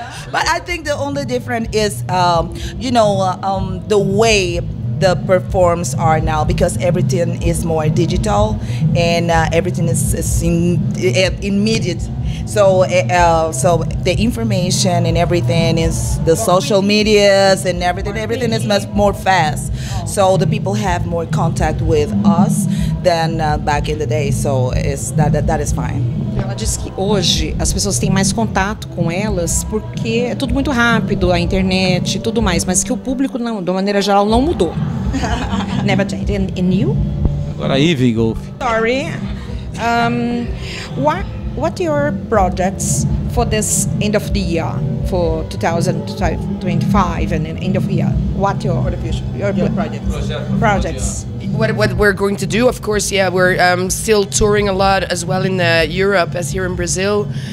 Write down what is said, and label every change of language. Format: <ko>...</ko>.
<en>But I think the only difference is, the way the performs are now, because everything is more digital and everything is immediate. So the information and everything is the social medias and everything is much more fast. So the people have more contact with us than back in the day. So it's that is fine.</en> <pt>Ela disse que hoje as pessoas têm mais contato com elas porque é tudo muito rápido, a internet e tudo mais, mas que o público, não, de maneira geral, não mudou.</pt> <en>Never changed. And you?</en> <pt>Agora Ivy Golf.</pt> <en>Sorry. What are your projects for this end of the year, for 2025 and then end of year? What are your, for the future, your projects? Projects. What we're going to do, of course, yeah, we're still touring a lot as well in Europe as here in Brazil.</en>